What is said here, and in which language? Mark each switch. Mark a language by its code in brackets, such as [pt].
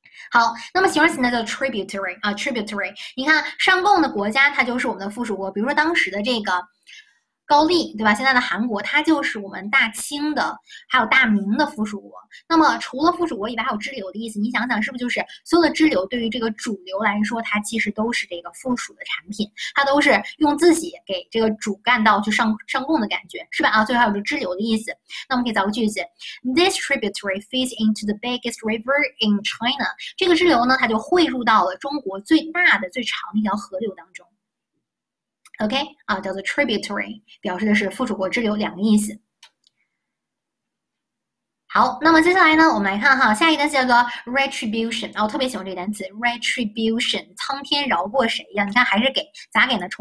[zh] 好，那么形容词呢叫 tributary 啊，tributary。你看上供的国家，它就是我们的附属国，比如说当时的这个高丽，对吧？现在的韩国，它就是我们大清的，还有大明的附属国。那么除了附属国以外，还有支流的意思。你想想，是不是就是所有的支流对于这个主流来说，它其实都是这个附属的产品，它都是用自己给这个主干道去上供的感觉，是吧？啊，最后还有个支流的意思。 [en] 那我们可以造个句子：This tributary feeds into the biggest river in China。 [zh] 这个支流呢，它就汇入到了中国最大的、最长的一条河流当中。 OK 啊，叫做 tributary，表示的是附属国支流两个意思。好，那么接下来呢，我们来看哈，下一个单词叫做 retribution，啊，我特别喜欢这个单词 retribution，苍天饶过谁呀？你看还是给，咋给呢？